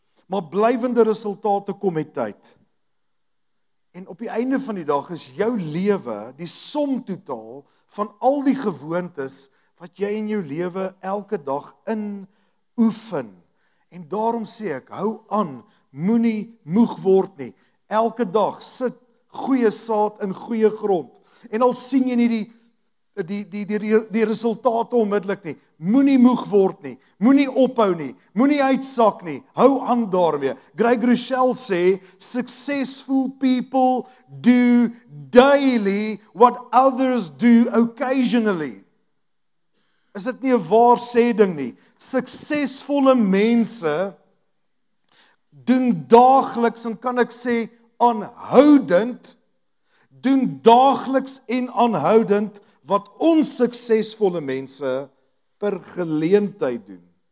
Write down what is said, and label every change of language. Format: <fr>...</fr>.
<af>Maar blywende resultate kom met tyd. En op die einde van die dag is jou lewe die som totaal van al die gewoontes wat jy in jou lewe elke dag in oefen. En daarom sê ek, hou aan, moenie moeg word nie. Elke dag sit goeie saad in goeie grond. En al sien jy nie die resultate onmiddellik nie. Moenie moeg word nie. Moenie ophou nie. Moenie uitsak nie. Hou aan daarmee.</af> <en>Greg Rochelle sê, successful people do daily what others do occasionally.</en> <af>Is dit nie 'n waar sê ding nie? Suksesvolle mense doen daagliks, en kan ek sê, aanhoudend, doen daagliks en aanhoudend wat onsuksesvolle mense per geleentheid doen.</af>